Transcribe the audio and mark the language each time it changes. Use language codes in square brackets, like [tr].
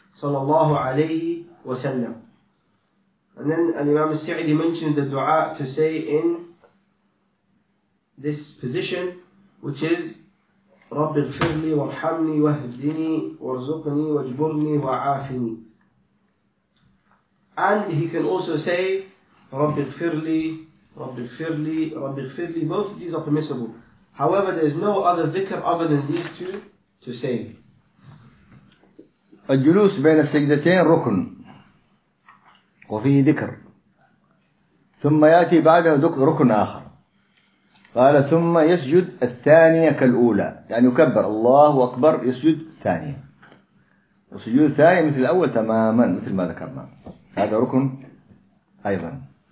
[ar] صلى الله عليه وسلم. [en] And then Imam al-Sa'idi mentioned the dua to say in this position, which is [ar] رب اغفر لي وارحمني واهدني وارزقني واجبرني وعافني. [en] And he can also say [ar] رب اغفر لي رب اغفر لي [en] رب اغفر لي. Both of these are permissible. However, there is no other dhikr other than these two to say. [ar] الجلوس بين السجدتين ركن وفيه ذكر، ثم يأتي بعد ركن آخر. قال ثم يسجد الثانية كالأولى، يعني يكبر الله أكبر، يسجد ثانية، وسجود ثانية مثل الأول تماما مثل ما ذكرنا، هذا ركن أيضا.